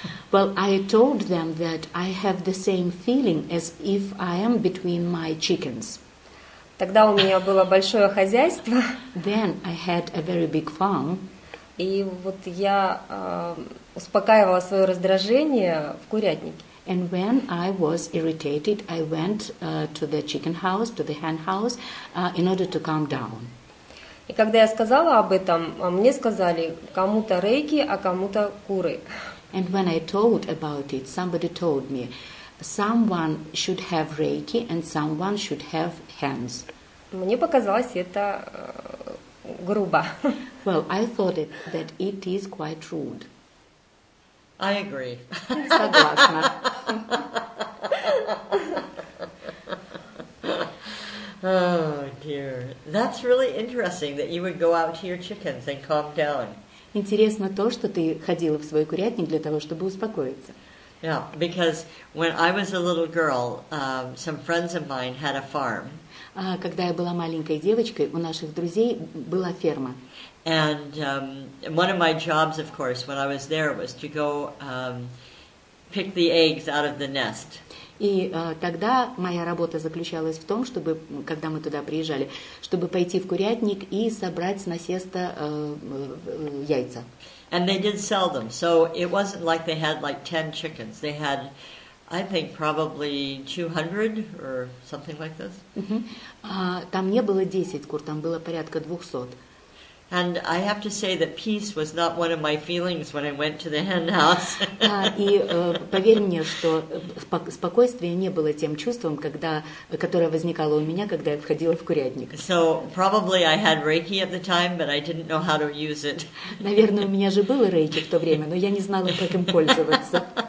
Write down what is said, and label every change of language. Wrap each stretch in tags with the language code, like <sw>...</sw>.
<en>Well, I told them that I have the same feeling as if I am between my chickens.</en> <ru>Тогда у меня было большое хозяйство.</ru> <en>Then I had a very big farm.</en> <ru>И вот я успокаивала свое раздражение в курятнике.</ru> <en>And when I was irritated, I went to the chicken house, to the hen house, in order to calm down.</en> <ru>И когда я сказала об этом, мне сказали, кому-то рейки, а кому-то куры.</ru> <en>And when I told about it, somebody told me, someone should have reiki and someone should have hens.</en> <ru>Мне показалось это грубо.</ru> <en>Well, I thought that it is quite rude. I agree.</en> <ru>Согласна.</ru> <en>Oh dear. That's really interesting that you would go out to your chickens and calm down.</en> <ru>Интересно то, что ты ходила в свой курятник для того, чтобы успокоиться.</ru> <en>Yeah, because when I was a little girl, some friends of mine had a farm.</en> <ru>Когда я была маленькой девочкой, у наших друзей была ферма.</ru> <en>And one of my jobs, of course, when I was there, was to go pick the eggs out of the nest.</en> <ru>И тогда моя работа заключалась в том, чтобы, когда мы туда приезжали, чтобы пойти в курятник и собрать с насеста яйца.</ru> <en>And they did sell them, so it wasn't like they had like 10 chickens. They had, I think, probably 200 or something like this.</en> <ru>Там не было 10 кур, там было порядка 200.</ru> <en>And I have to say that peace was not one of my feelings when I went to the hen house.</en> <ru>И поверь мне, что спокойствие не было тем чувством, которое возникало у меня, когда я входила в курятник.</ru> <en>So probably I had reiki at the time, but I didn't know how to use it.</en> <ru>Наверное, у меня же было рейки в то время, но я не знала, как им пользоваться.</ru>